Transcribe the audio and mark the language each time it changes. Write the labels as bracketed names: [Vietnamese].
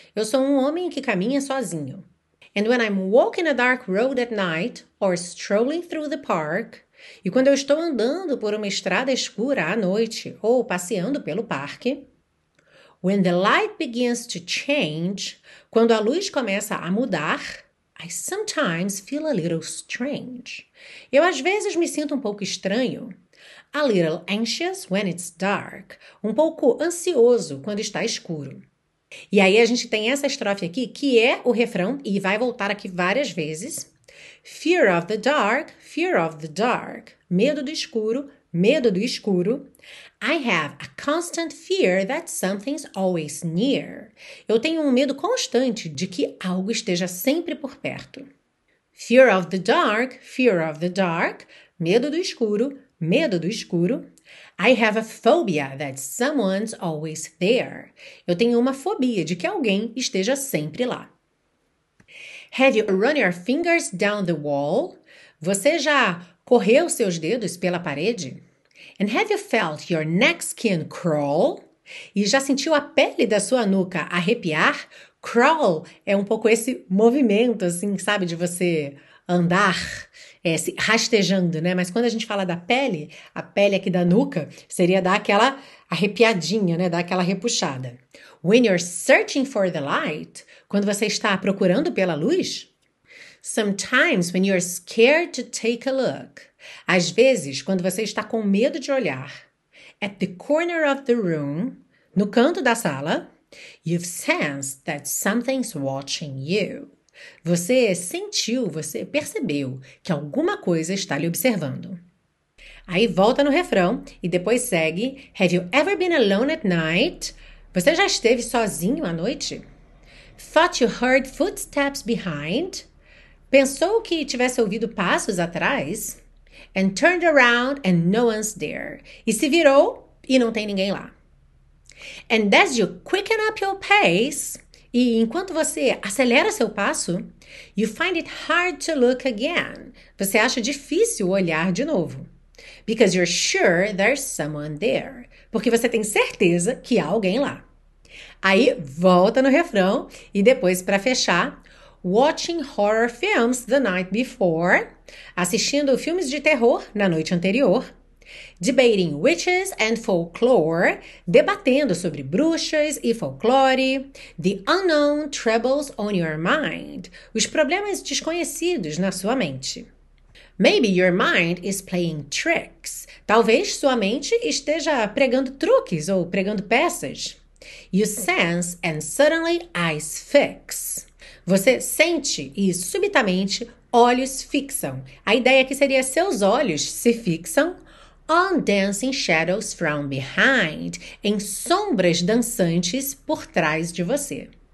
[Portuguese] Eu sou um homem que caminha sozinho. [English] And when I'm walking a dark road at night or strolling through the park, [Portuguese] e quando eu estou andando por uma estrada escura à noite ou passeando pelo parque, [English] when the light begins to change, [Portuguese] quando a luz começa a mudar, [English] I sometimes feel a little strange. [Portuguese] Eu às vezes me sinto um pouco estranho. [English] A little anxious when it's dark. [Portuguese] Um pouco ansioso quando está escuro. E aí a gente tem essa estrofe aqui, que é o refrão, e vai voltar aqui várias vezes. [English] Fear of the dark, fear of the dark. [Portuguese] Medo do escuro, medo do escuro. [English] I have a constant fear that something's always near. [Portuguese] Eu tenho um medo constante de que algo esteja sempre por perto. [English] Fear of the dark, fear of the dark. [Portuguese] Medo do escuro, medo do escuro. [English] I have a phobia that someone's always there. [Portuguese] Eu tenho uma fobia de que alguém esteja sempre lá. [English] Have you run your fingers down the wall? [Portuguese] Você já correu seus dedos pela parede? [English] And have you felt your neck skin crawl? [Portuguese] E já sentiu a pele da sua nuca arrepiar? Crawl é um pouco esse movimento, assim, sabe, de você andar, se rastejando, né? Mas quando a gente fala da pele, a pele aqui da nuca seria dar aquela arrepiadinha, né? Dar aquela repuxada. [English] When you're searching for the light, [Portuguese] quando você está procurando pela luz, [English] sometimes when you're scared to take a look, [Portuguese] às vezes, quando você está com medo de olhar, [English] at the corner of the room, [Portuguese] no canto da sala, [English] you've sensed that something's watching you. [Portuguese] Você sentiu, você percebeu que alguma coisa está lhe observando. Aí volta no refrão e depois segue: [English] Have you ever been alone at night? [Portuguese] Você já esteve sozinho à noite? [English] Thought you heard footsteps behind? [Portuguese] Pensou que tivesse ouvido passos atrás? [English] And turned around and no one's there. [Portuguese] E se virou e não tem ninguém lá. [English] And as you quicken up your pace, [Portuguese] e enquanto você acelera seu passo, [English] you find it hard to look again. [Portuguese] Você acha difícil olhar de novo. [English] Because you're sure there's someone there. [Portuguese] Porque você tem certeza que há alguém lá. Aí volta no refrão e depois para fechar, [English] watching horror films the night before, [Portuguese] assistindo filmes de terror na noite anterior, [English] debating witches and folklore, [Portuguese] debatendo sobre bruxas e folclore, [English] the unknown troubles on your mind, [Portuguese] os problemas desconhecidos na sua mente. [English] Maybe your mind is playing tricks. [Portuguese] Talvez sua mente esteja pregando truques ou pregando peças. [English] You sense and suddenly eyes fix. [Portuguese] Você sente e subitamente olhos fixam. A ideia aqui seria seus olhos se fixam [English] on dancing shadows from behind, [Portuguese] em sombras dançantes por trás de você.